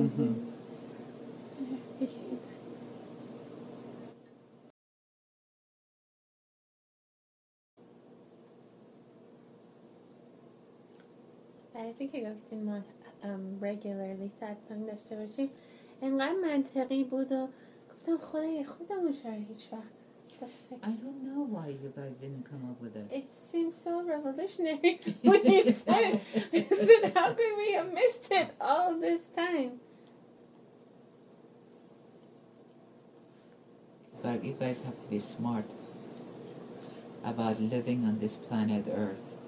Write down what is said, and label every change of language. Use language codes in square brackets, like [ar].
[en] Mm-hmm. I appreciate that. I think it goes to more regularly satsang [fa] داشته باشیم. انقدر منطقی بود و گفتم خدای خودمون چرا هیچ وقت [en] I don't know why you guys didn't come up with it. It seems so revolutionary when you said it. Said, how could we have missed it all this time? But you guys have to be smart about living on this planet Earth.